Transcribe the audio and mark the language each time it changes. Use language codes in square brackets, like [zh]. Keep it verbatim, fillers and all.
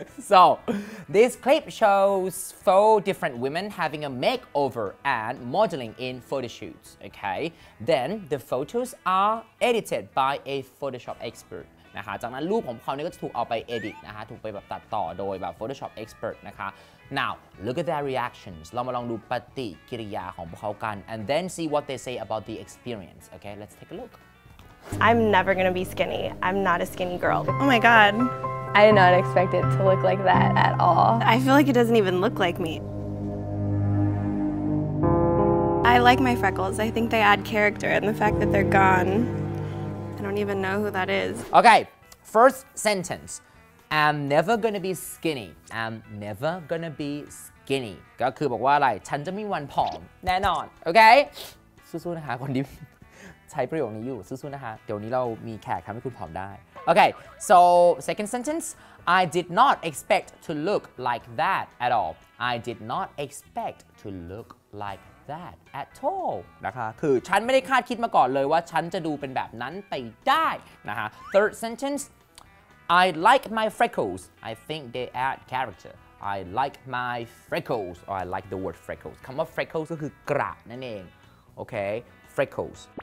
[en] So this clip shows four different women having a makeover and modeling in photo shoots okay then the photos are edited by a Photoshop expert [th] นะคะจากนั้นรูปของเขาเนี่ยก็จะถูกเอาไป [en] edit [th] นะคะถูกไปแบบตัดต่อโดยแบบ [en] Photoshop expert นะคะ Now look at their reactions [th] เรามาลองดูปฏิกิริยาของพวกเขากัน [en] and then see what they say about the experience okay let's take a look I'm never gonna be skinny I'm not a skinny girl Oh my god I did not expect it to look like that at all I feel like it doesn't even look like me I like my freckles I think they add character and the fact that they're gone I don't even know who that is. Okay, first sentence. I'm never gonna be skinny. I'm never gonna be skinny. [th] ก็คือบอกว่าอะไรฉันจะไม่มีวันผอมแน่นอน Okay? สู้ๆนะคะคนที่ใช้ประโยคนี้อยู่สู้ๆนะคะเดี๋ยวนี้เรามีแขกทำให้คุณผอมได้ [en] Okay, so second sentence. I did not expect to look like that at all. I did not expect to look like that at all [th] นะคะคือฉันไม่ได้คาดคิดมาก่อนเลยว่าฉันจะดูเป็นแบบนั้นไปได้นะคะ [en] Third sentence I like my freckles I think they add character I like my freckles or I like the word freckles คำว่า freckles [th] ก็คือกระนั่นเองโอเค [en] freckles